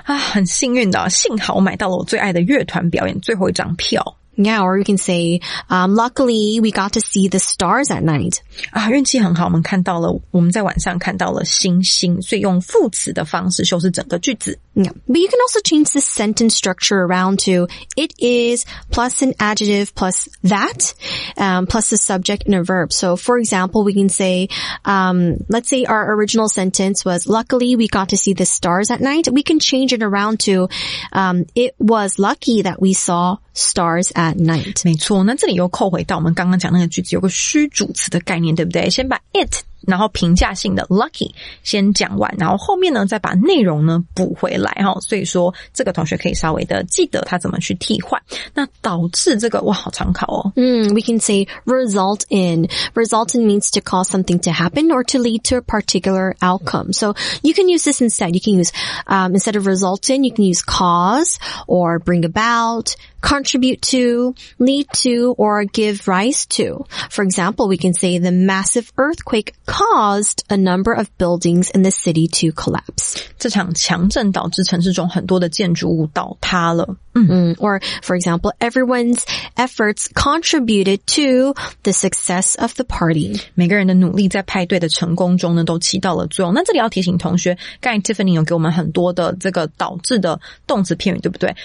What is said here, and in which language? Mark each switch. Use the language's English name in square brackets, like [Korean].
[Chinese] 啊，很幸运的，幸好我买到了我最爱的乐团表演最后一张票。 [English] Yeah, or you can say, luckily we got to see the stars at night. [Chinese] 啊，运气很好，我们看到了，我们在晚上看到了星星，所以用副词的方式修饰整个句子。 [English] Yeah, but you can also change the sentence structure around to it is plus an adjective plus that, plus the subject and a verb. So for example, we can say, let's say our original sentence was, luckily we got to see the stars at night. We can change it around to, it was lucky that we saw stars at night. [Chinese] 没错，那这里又扣回到我们刚刚讲那个句子，有个虚主词的概念，对不对？先把 it,然后评价性的 lucky 先讲完，然后后面呢再把内容呢补回来哈、哦。所以说这个同学可以稍微的记得他怎么去替换。那导致这个哇，好常考哦。 [English] We can say result in. Result in means to cause something to happen or to lead to a particular outcome. So you can use this instead. You can use instead of result in, you can use cause or bring about. Contribute to, lead to, or give rise to. For example, we can say the massive earthquake caused a number of buildings in the city to collapse. [Chinese] 这场强震导致城市中很多的建筑物倒塌了。 [English] Or, for example, everyone's efforts contributed to the success of the party. [Chinese] 每个人的努力在派对的成功中呢，都起到了作用。那这里要提醒同学，刚才 Tiffany 有给我们很多的这个导致的动词片语，对不对？